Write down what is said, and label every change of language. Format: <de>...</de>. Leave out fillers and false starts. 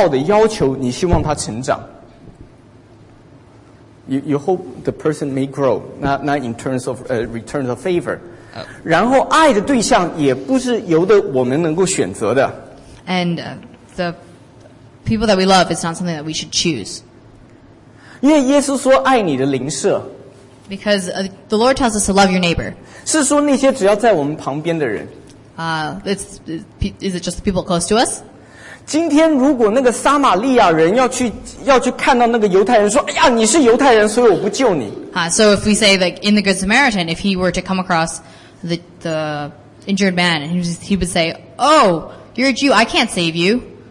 <zh>你对他有一个不要求回报的要求，你希望他成长。</zh> <en>You hope the person may grow, not in terms of return of favor. Oh.</en> <zh>然后爱的对象也不是由得我们能够选择的。</zh> <en>And the people that we love is not something that we should choose.</en> <zh>因为耶稣说爱你的邻舍,</zh> <en>because the Lord tells us to love your neighbor.</en> <zh>是说那些只要在我们旁边的人。</zh> <en>Is it just the people close to us?</en> <zh>今天如果那个撒玛利亚人要去看到那个犹太人说，哎呀，你是犹太人，所以我不救你。</zh> <en>So if we say that in the Good Samaritan, if he were to come across the injured man, he would say, "Oh, you're a Jew, I can't save you."</en>